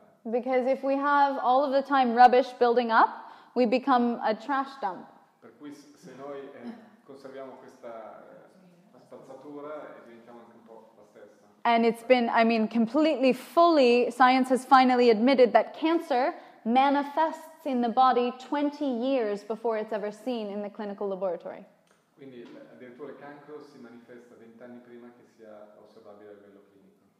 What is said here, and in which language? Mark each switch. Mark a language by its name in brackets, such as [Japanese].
[English] Because if we have all of the time rubbish building up, we become a trash dump. [Italian] Per cui se noi conserviamo questa spazzatura e diventiamo anche un po' la stessa. [English] And it's been, I mean, completely, fully, science has finally admitted that cancer manifests in the body 20 years before it's ever seen in the clinical laboratory. [Italian] Quindi addirittura il cancro si manifesta 20 anni prima che sia osservabile a livello clinico.